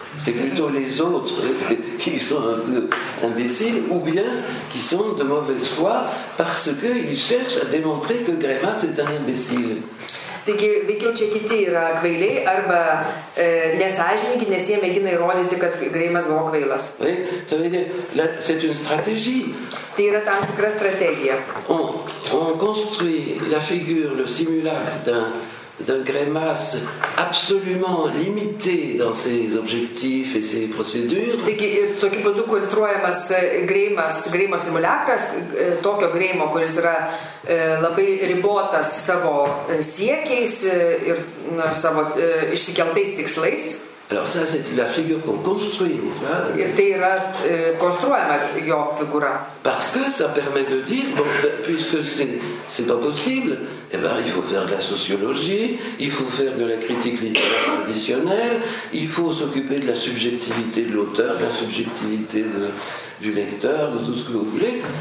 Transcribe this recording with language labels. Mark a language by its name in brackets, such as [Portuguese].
[French] C'est plutôt les autres qui sont un peu imbéciles ou bien qui sont de mauvaise foi parce qu'ils cherchent à démontrer que Grébas est un imbécile. [Lithuanian] Taigi, veikiau čia kiti yra kvailiai arba nesąžininkai, nes jie mėgina įrodyti, kad Grébas buvo kvailas. [French] Oui, ça veut dire, là, c'est une stratégie. [Lithuanian] Tai yra tam tikra strategija. [French] On construit la figure, le simulacre d'un Grébas absolument limité dans ses objectifs et ses procédures. [Lithuanian] Taigi, tokiu būdu konstruojamas Grébas simulacras, tokio Grébo, kuris yra labai ribotas savo siekiais ir savo išsikeltais tikslais. [French] Alors ça, c'est la figure qu'on construit, n'est-ce pas? [Lithuanian] Ir tai yra konstruojama jo figura. [French] Parce que ça permet de dire, bon, puisque c'est pas possible, eh ben, il faut faire de la sociologie, il faut faire de la critique littéraire traditionnelle, il faut s'occuper de la subjectivité de l'auteur, de la subjectivité du lecteur, de tout ce que vous voulez.